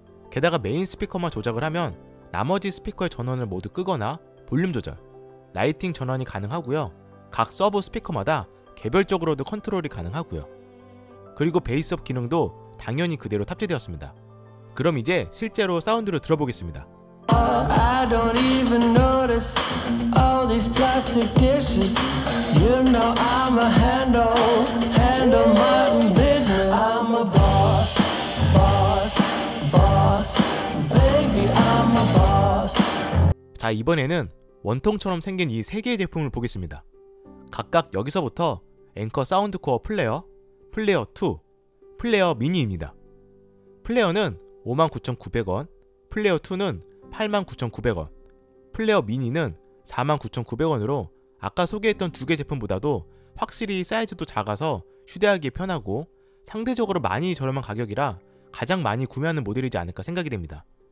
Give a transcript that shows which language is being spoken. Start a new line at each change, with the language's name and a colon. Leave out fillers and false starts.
Korean: 게다가 메인 스피커만 조작을 하면 나머지 스피커의 전원을 모두 끄거나 볼륨 조절, 라이팅 전환이 가능하고요. 각 서브 스피커마다 개별적으로도 컨트롤이 가능하고요. 그리고 베이스업 기능도 당연히 그대로 탑재되었습니다. 그럼 이제 실제로 사운드를 들어보겠습니다.
English: I don't even notice all these plastic dishes. You know I'm a handle my own business. I'm a boss, boss,
Korean: 자, 이번에는 원통처럼 생긴 이 세 개의 제품을 보겠습니다. 각각 여기서부터 앵커 사운드코어 플레어, 플레어 2, 플레어 미니입니다. 플레어는 59,900원, 플레어 2는 89,900원, 플레어 미니는 49,900원으로 아까 소개했던 두 개 제품보다도 확실히 사이즈도 작아서 휴대하기에 편하고 상대적으로 많이 저렴한 가격이라 가장 많이 구매하는 모델이지 않을까 생각이 됩니다.